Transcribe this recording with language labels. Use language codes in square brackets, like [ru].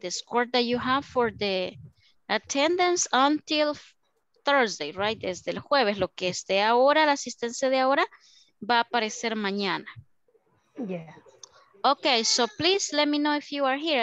[en] The score that you have for the attendance until Thursday, right? [es] Desde el jueves, lo que esté ahora, la asistencia de ahora, va a aparecer mañana. [en] Yeah. Okay, so please let me know if you are here.